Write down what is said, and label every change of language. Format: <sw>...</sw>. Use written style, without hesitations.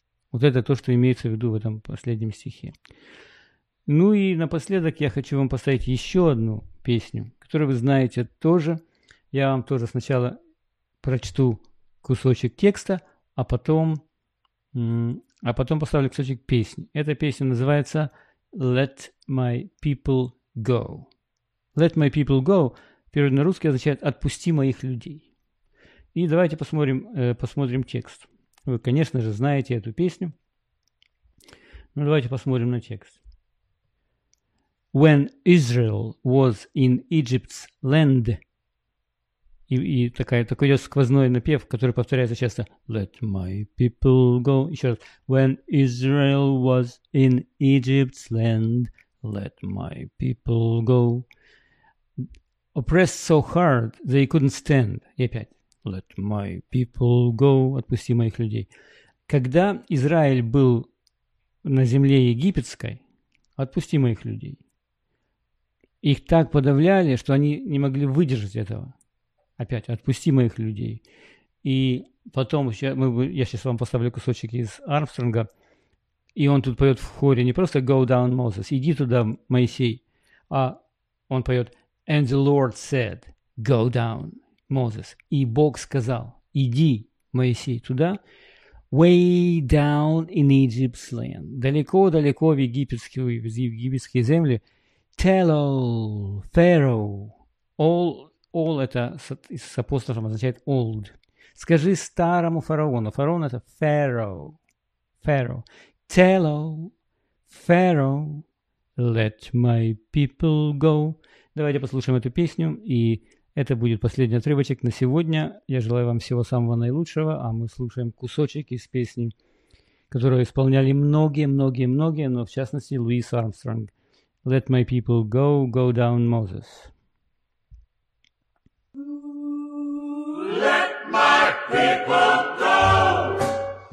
<ru>Вот это то, что имеется в виду в этом последнем стихе. Ну и напоследок я хочу вам поставить еще одну песню, которую вы знаете тоже. Я вам тоже сначала прочту кусочек текста, а потом поставлю кусочек песни. Эта песня называется «Let my people go». «Let my people go» перевод на русский означает «Отпусти моих людей». И давайте посмотрим текст. Вы, конечно же, знаете эту песню. Но давайте посмотрим на текст. When Israel was in Egypt's land, и такой идет сквозной напев, который повторяется часто.</ru> <en>Let my people go. Еще раз. When Israel was in Egypt's land, let my people go. Oppressed so hard they couldn't stand.</en> <ru>И опять. Let my people go. Отпусти моих людей. Когда Израиль был на земле египетской, отпусти моих людей. Их так подавляли, что они не могли выдержать этого. Опять, отпусти моих людей. И потом, я сейчас вам поставлю кусочек из Армстронга, и он тут поет в хоре не просто «Go down, Moses», «Иди туда, Моисей», а он поет «And the Lord said, go down, Moses». И Бог сказал, «Иди, Моисей, туда».</ru> <en>Way down in Egypt's land.</en> <ru>Далеко-далеко в египетские земли.</ru> <en>Tell all, Pharaoh, all это с апострофом означает old.</en> <ru>Скажи старому фараону. Фараон это Pharaoh.</ru> <en>Tell all, Pharaoh, let my people go.</en> <ru>Давайте послушаем эту песню, и это будет последний отрывочек на сегодня. Я желаю вам всего самого наилучшего, а мы слушаем кусочек из песни, которую исполняли многие, но в частности Луис Армстронг.</ru> <en>Let my people go, go down, Moses. Let my people go.</en>